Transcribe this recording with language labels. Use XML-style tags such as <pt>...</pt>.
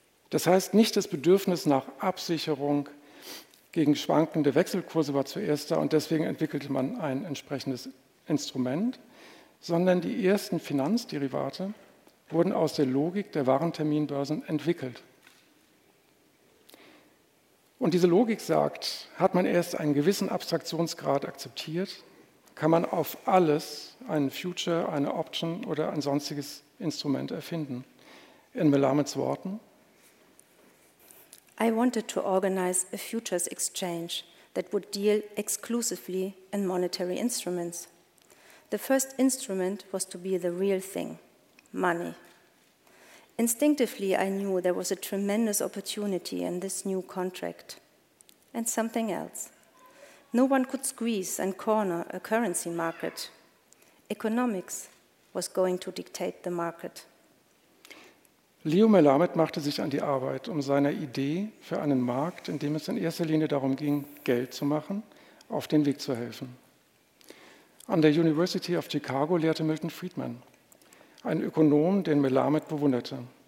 <de>Das heißt, nicht das Bedürfnis nach Absicherung gegen schwankende Wechselkurse war zuerst da und deswegen entwickelte man ein entsprechendes Instrument, sondern die ersten Finanzderivate wurden aus der Logik der Warenterminbörsen entwickelt. Und diese Logik sagt, hat man erst einen gewissen Abstraktionsgrad akzeptiert, kann man auf alles einen Future, eine Option oder ein sonstiges Instrument erfinden. In Melameds Worten:</de> <en>I wanted to organize a futures exchange that would deal exclusively in monetary instruments. The first instrument was to be the real thing. Money. Instinctively, I knew there was a tremendous opportunity in this new contract. And something else. No one could squeeze and corner a currency market. Economics was going to dictate the market.</en> <de>Leo Melamed machte sich an die Arbeit, um seiner Idee für einen Markt, in dem es in erster Linie darum ging, Geld zu machen, auf den Weg zu helfen. An der University of Chicago lehrte Milton Friedman, ein Ökonom, den Melamed bewunderte.</de>